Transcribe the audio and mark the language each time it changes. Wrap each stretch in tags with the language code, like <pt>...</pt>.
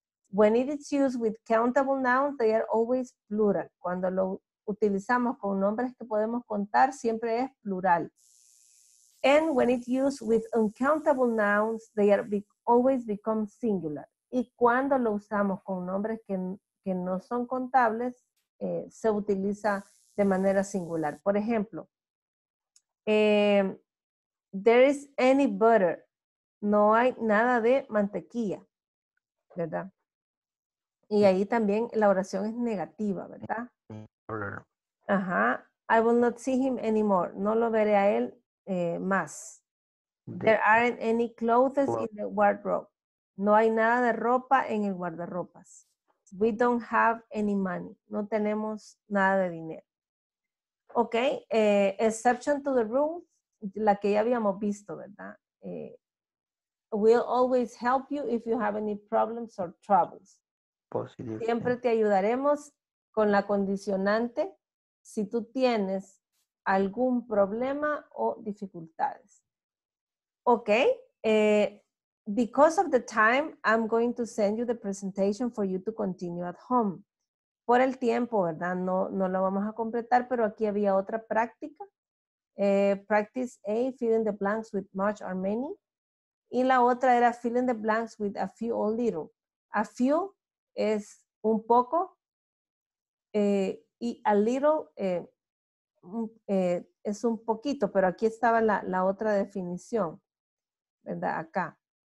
<en>When it is used with countable nouns, they are always plural.</en> <es>Cuando lo utilizamos con nombres que podemos contar, siempre es plural.</es> <en>And when it's used with uncountable nouns, they are always become singular.</en> <es>Y cuando lo usamos con nombres que no son contables, se utiliza de manera singular. Por ejemplo,</es> <en>there is any butter.</en> <es>No hay nada de mantequilla, ¿verdad? Y ahí también la oración es negativa, ¿verdad?</es> <en>Ajá. I will not see him anymore.</en> <es>No lo veré a él más.</es> <en>There aren't any clothes in the wardrobe.</en> <es>No hay nada de ropa en el guardarropas.</es> <en>We don't have any money.</en> <es>No tenemos nada de dinero. Ok,</es> <en>exception to the rule,</en> <es>la que ya habíamos visto, ¿verdad?</es> <en>We'll always help you if you have any problems or troubles. Positive.</en> <es>Siempre te ayudaremos con la condicionante si tú tienes algún problema o dificultades.</es> <en>Ok, because of the time, I'm going to send you the presentation for you to continue at home.</en> <es>Por el tiempo, ¿verdad? No lo vamos a completar, pero aquí había otra práctica.</es> <en>Practice A, fill in the blanks with much or many.</en> <es>Y la otra era</es> <en>fill in the blanks with a few or little.</en> <es>A few es un poco y a little es un poquito, pero aquí estaba la otra definición, ¿verdad? Acá.</es>